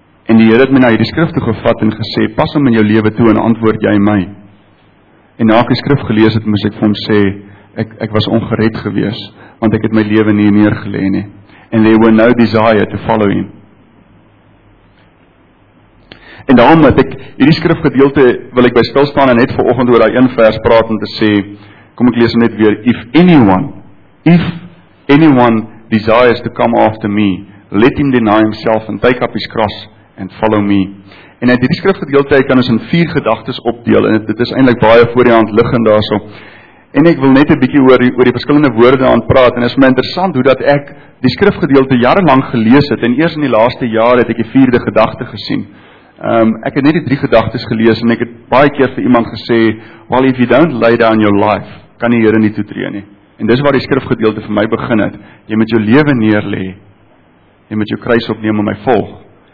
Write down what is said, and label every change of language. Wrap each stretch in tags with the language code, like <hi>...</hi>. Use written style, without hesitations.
<af>En die Here het my na hierdie skrif toe gevat en gesê, pas hom in jou lewe toe en antwoord jy my. En na ek die skrif gelees het, moes ek vir hom sê, ek was ongered gewees, want ek het my lewe nie neergelê nie.</af> <en>And there were no desire to follow him.</en> <af>En daarom het ek, hierdie skrifgedeelte wil ek by stilstaan en net vanoggend oor daai een vers praat om te sê, kom ek lees net weer,</af> <en>if anyone desires to come after me, let him deny himself and take up his cross and follow me.</en> <af>En uit hierdie skrifgedeelte kan ons in vier gedagtes opdeel, en dit is eintlik baie voor die hand liggend daarso. En ek wil net 'n bietjie oor die verskillende woorde aan praat, en is my interessant hoe dat ek die skrifgedeelte jare lang gelees het, en eers in die laaste jaar het ek die vierde gedagte gesien. Ek het net die drie gedagtes gelees, en ek het baie keer vir iemand gesê,</af> <en>well, if you don't lay down your life,</en> <af>kan die Here nie toetree nie. En dis waar die skrifgedeelte vir my begin het, jy moet jou lewe neerlê, en met jou kruis opneem en my volg.</af>